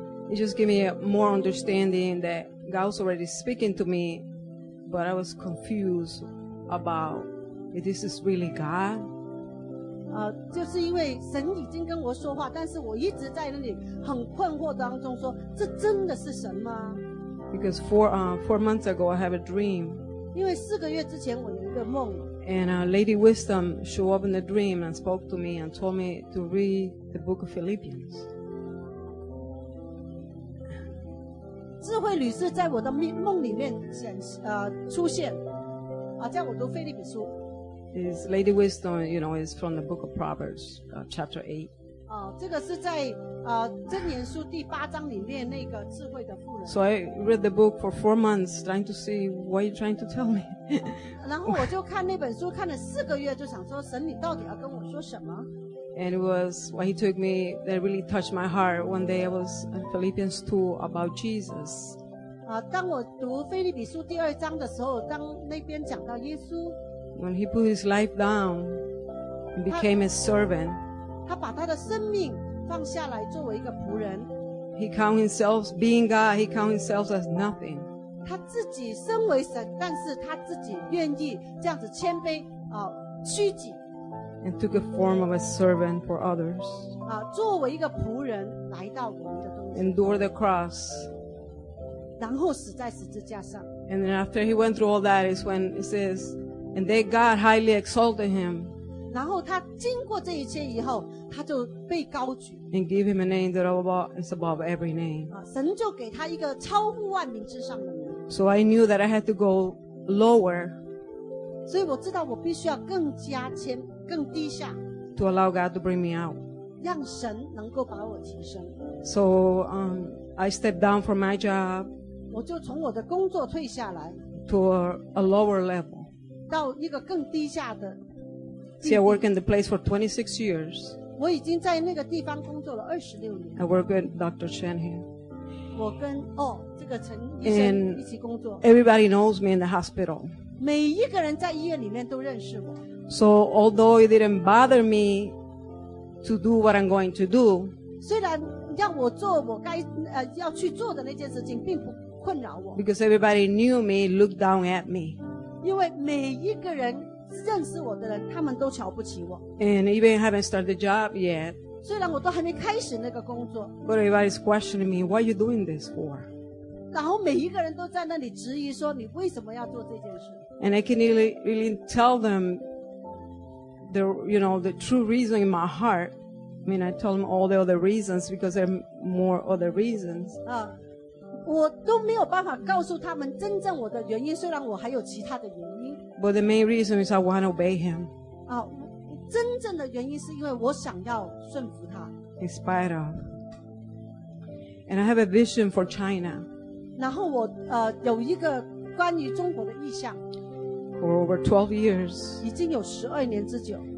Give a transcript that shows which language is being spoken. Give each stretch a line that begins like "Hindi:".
English: he just gave me more understanding that God was already speaking to me, but I was confused about if this is really God.
Chinese: 就是因为神已经跟我说话，但是我一直在那里很困惑当中说，这真的是神吗？
English: Because four months ago, I have a dream.
Chinese: 因为四个月之前我有一个梦。
English: And Lady Wisdom showed up in the dream and spoke to me and told me to read the book of Philippians.
Chinese: 智慧女士在我的梦里面出现，叫我读腓立比书。
English: Is Lady Wisdom, you know, is from the book of Proverbs, chapter 8.
Chinese: 这个是在箴言书第八章里面那个智慧的妇人。
English: So I read the book for 4 months, trying to see what you're trying to tell me.
Chinese: 然后我就看那本书看了四个月，就想说神，你到底要跟我说什么？
English: And it was when he took me, that really touched my heart. One day I was in Philippians 2 about Jesus.
Chinese: 当我读腓立比书第二章的时候，当那边讲到耶稣。
English: When he put his life down and became a servant.
Chinese: 他把他的生命放下来作为一个仆人。
English: He count himself being God, he count himself as nothing.
Chinese: 他自己身为神，但是他自己愿意这样子谦卑，虚己。
English: And took a form of a servant for others.
Chinese: 作为一个仆人来到我们的中间。
English: Endure the cross.
Chinese: 然后死在十字架上。
English: And then after he went through all that is when it says, and they God highly exalted him.
Chinese: 然后他经过这一切以后，他就被高举。
English: And give him a name that is above every name.
Chinese: 神就给他一个超乎万名之上的名。
English: So I knew that I had to go lower.
Chinese: 所以我知道我必须要更加谦，更低下。
English: To allow God to bring me out.
Chinese: 让神能够把我提升。
English: So I stepped down from my job.
Chinese: 我就从我的工作退下来。
English: To a lower level.
Chinese: 到一个更低下的。
English: See, I worked in the place for 26 years.
Chinese: 我已经在那个地方工作了26年。
English: I work with Dr. Chen here.
Chinese: 我跟这个陈医生一起工作。
English: And everybody knows me in the hospital.
Chinese: 每一个人在医院里面都认识我。
English: So although it didn't bother me to do what I'm going to do,
Chinese: 虽然让我做我该要去做的那件事情，并不困扰我。
English: Because everybody knew me, looked down at me.
Chinese: 因为每一个人。认识我的人，他们都瞧不起我。
English: And even haven't started the job yet.
Chinese: 虽然我都还没开始那个工作。
English: But everybody's questioning me, what are you doing this for?
Chinese: 然后每一个人都在那里质疑说，你为什么要做这件事？
English: And I can really tell them the, you know, the true reason in my heart. I mean, I tell them all the other reasons because there are more other reasons.
Chinese: 我都没有办法告诉他们真正我的原因，虽然我还有其他的原因。
English: But the main reason is I want to obey him.
Chinese: 真正的原因是因为我想要顺服他。
English: In spite of. And I have a vision for China.
Chinese: 然后我有一个关于中国的意向。
English: For over 12 years.
Chinese: 已经有12年之久。